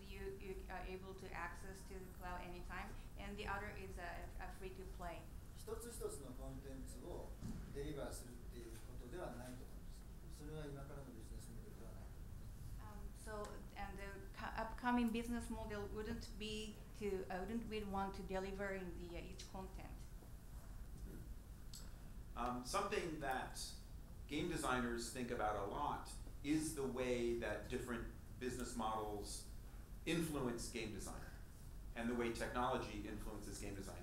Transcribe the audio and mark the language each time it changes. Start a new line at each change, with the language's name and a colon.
English: You are able to access to the cloud anytime, and the other is a free to play.
Japanese: 一つ一つのコンテンツをデリバーするっていうことではないと思います。それは今からのビジネスモデルではない。
English: So and the upcoming business model wouldn't we want to deliver in the each content? Something that game designers think about a lot is the way that different business models influence game design and the way technology influences game design.